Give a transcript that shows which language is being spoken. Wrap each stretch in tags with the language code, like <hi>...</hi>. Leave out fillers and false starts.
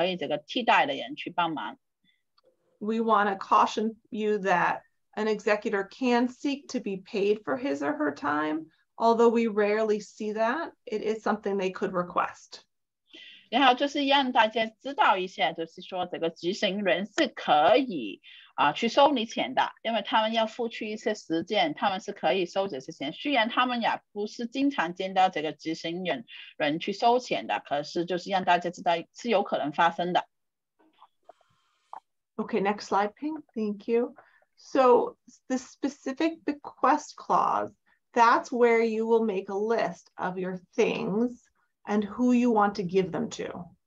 <zh>执行人就是说，如果第一个这个执行人他们不愿意去帮忙，还是说没办法的话，还是可能已经过世了，OK，那么你就可以这个替代的人去帮忙。</zh> <en>We want to caution you that an executor can seek to be paid for his or her time, although we rarely see that. It is something they could request.</en> <zh>然后就是让大家知道一下，就是说这个执行人是可以去收你钱的，因为他们要付出一些时间，他们是可以收这些钱。虽然他们也不是经常见到这个执行人去收钱的，可是就是让大家知道是有可能发生的。</zh> <en>Okay, next slide, Ping. Thank you. So the specific bequest clause, that's where you will make a list of your things and who you want to give them to.</en>